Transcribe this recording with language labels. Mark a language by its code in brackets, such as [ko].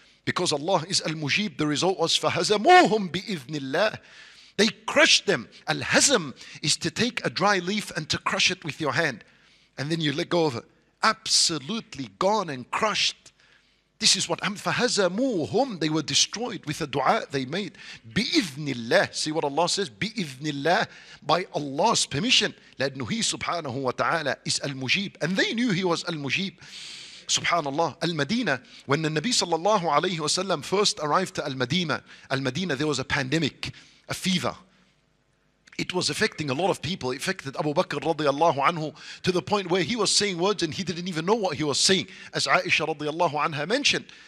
[en] Because Allah is Al-Mujib, the result was [ar] فَهَزَمُوهُمْ بِإِذْنِ اللَّهِ. [en] They crushed them. Al-Hazm is to take a dry leaf and to crush it with your hand. And then you let go of it. Absolutely gone and crushed. This is what [ar] فَهَزَمُوهُمْ. [en] They were destroyed with a dua they made. [ar] بِإِذْنِ اللَّهِ. [en] See what Allah says? بِإِذْنِ اللَّهِ. By Allah's permission. [ar] لَأَنُهِ سُبْحَانَهُ وَتَعَالَى [en] is Al-Mujib. And they knew he was Al-Mujib. Subhanallah, Al-Madinah, when the Nabi sallallahu alayhi wa sallam first arrived to Al-Madinah, there was a pandemic, a fever. It was affecting a lot of people. It affected Abu Bakr radiallahu anhu to the point where he was saying words and he didn't even know what he was saying, as Aisha radiallahu anha mentioned.